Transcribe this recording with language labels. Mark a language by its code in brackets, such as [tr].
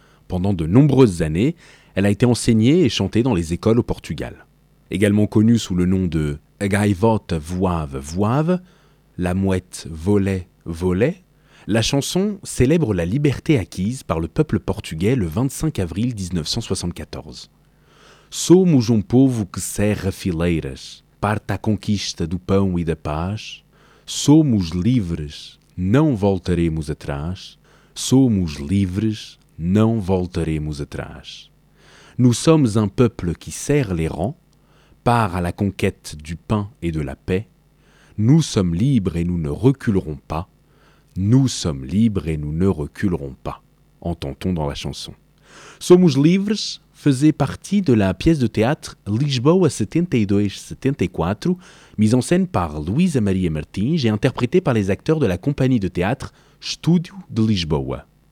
[fr] Pendant de nombreuses années, elle a été enseignée et chantée dans les écoles au Portugal. Également connue sous le nom de A Gaivota Voava Voava, La Mouette Volait Volait, la chanson célèbre la liberté acquise par le peuple portugais le 25 avril 1974. [pt] Somos povo que serra fileiras, parte à conquista do pão e da paz. Somos livres, não voltaremos atrás. Somos livres, não voltaremos atrás. [fr] Nous sommes un peuple qui serre les rangs, part à la conquête du pain et de la paix. Nous sommes libres et nous ne reculerons pas. Nous sommes libres et nous ne reculerons pas, entend-on dans la chanson. Somos Livres faisait partie de la pièce de théâtre Lisboa 72-74, mise en scène par Luisa Maria Martins et interprétée par les acteurs de la compagnie de théâtre Studio de Lisboa.